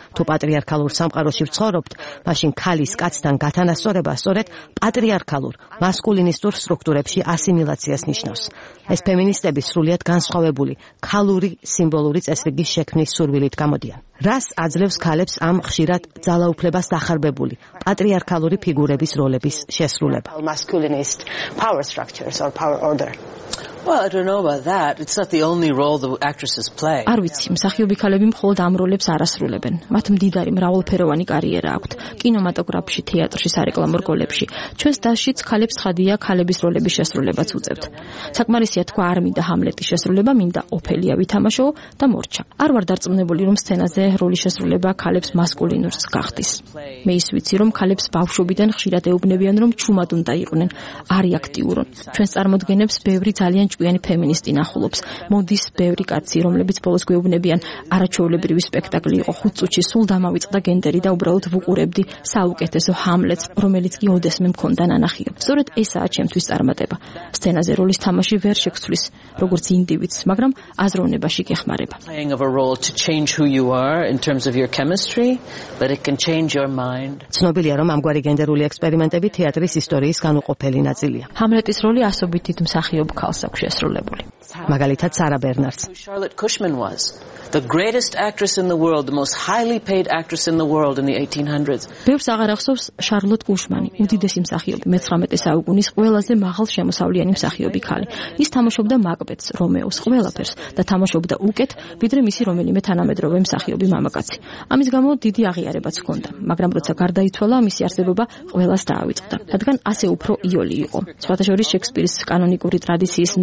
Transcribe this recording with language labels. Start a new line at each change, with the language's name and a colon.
Georgian: თუ პატრიარქალურ სამყაროში ვცხოვრობთ, მაშინ ქალის კაცთან გათანასწორება სწორედ პატრიარქალურ, მასკულინისტურ სტრუქტურებში ასიმილაციას ნიშნავს. ეს ფემინისტები სრულიად განსხვავებული, ქალური სიმბოლური წესრიგის შექმნის სურვილით გამოდიან. რას აძლევს ქალებს ამ ხშირად ძალაუფლებას დახარბებული პატრიარქალური ფიგურების როლების შესრულება?
English: Masculinist power structures or power order. Well, I don't know about that. It's not the only role the actresses play.
Georgian: არ ვიცი, მსახიობი ქალები მხოლოდ ამ როლებს არ ასრულებენ. მათ მდიდარი მრავალფეროვანი კარიერა აქვთ: კინემატოგრაფში, თეატრში, სარეკლამო რგოლებში. ჩვენს დასშიც ქალებს ხადია ქალების როლების შესრულებაც უწევთ. საკმარისია თქვა, არ მინდა ჰამლეტის შესრულება, მინდა ოფელია ვითამაშო და მორჩა. არ ვარ დარწმუნებული, რომ სცენაზე როლის შესრულება ქალებს მასკულინურს გახდის. მე ის ვიცი, რომ ქალებს ბავშვობიდან ხშირად ეუბნებიან, რომ ჩუმად უნდა იყვნენ, არეაქტიურონ. ჩვენს წარმოდგენებს ბევრი ძალიან ჭკვიანი ფემინისტი ნახულობს. მოდის ბევრი კაცი, რომლებიც ბოლოს გვეუბნებიან, არაჩვეულებრივი სპექტაკლი იყო, ხუთ წუთში სულ დამავიწყდა გენდერი და უბრალოდ ვუყურებდი საუკეთესო ჰამლეტს, რომელიც კი ოდესმე მქონდა ნანახიო. სწორედ ესაა ჩემთვის წარმატება. სცენაზე როლის თამაში ვერ შექცვლის, როგორც ინდივიდს, მაგრამ აზროვნებაში კი ხმარება.
English: In terms of your chemistry, but it can change your mind.
Georgian: ცნობილია, რომ ამგვარი გენდერული ექსპერიმენტები თეატრის ისტორიის განუყოფელი ნაწილია. ჰამლეტის როლი ასობით დიდ მსახიობ ქალს აქვს შესრულებული. მაგალითად, სარა ბერნარდს.
English: Charlotte Cushman was the greatest actress in the world, the most highly paid actress in the world in the 1800s.
Georgian: ბევრს აღარ ახსოვს შარლოტ კუშმანი, უდიდესი მსახიობი მე-19 საუკუნის ყველაზე მაღალშემოსავლიანი მსახიობი ქალი. ის თამაშობდა მაკბეთს, რომეოს, ყველაფერს და თამაშობდა უკეთ, ვიდრე მისი რომელიმე თანამედროვე მსახიობი მამაკაცი. ამის გამო დიდი აღიარებაც ჰქონდა, მაგრამ როცა გარდაიცვალა, მისი არსებობა ყველას დაავიწყდა, რადგან ასე უფრო იოლი იყო. სხვათა შორის შექსპირის კანონიკური ტრადიციის